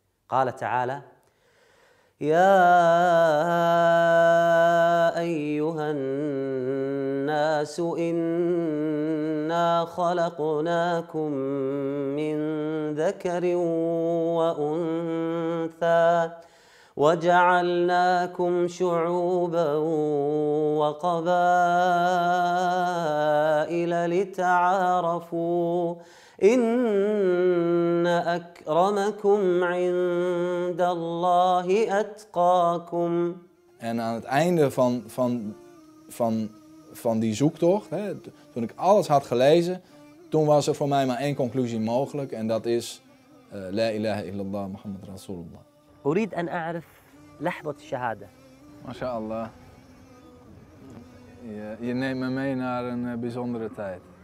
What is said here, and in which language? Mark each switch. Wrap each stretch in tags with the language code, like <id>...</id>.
<ar>قال تعالى يا أيها الناس إنا خلقناكم من ذكر وأنثى وجعلناكم شعوبا وقبائل لتعارفوا إن أكرمكم عند الله أتقاكم.</ar> <nl>En aan het einde van die zoektocht, hè, toen ik alles had gelezen, toen was er voor mij maar één conclusie mogelijk en dat is</nl> <ar>la ilaha illallah Muhammad Rasulullah. أريد أن أعرف لحظة الشهادة. ما شاء الله.</ar> <nl>Je neemt me mee naar een bijzondere tijd.</nl>